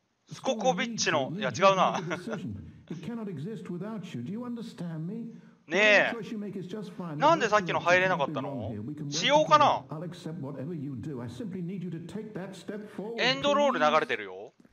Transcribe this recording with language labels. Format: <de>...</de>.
<ja>スココビッチの、いや違うな。</ja> <en>It cannot exist without you. Do you understand me?</en> <ja>ねえ、なんでさっきの入れなかったの？しようかな。エンドロール流れてるよ。</ja>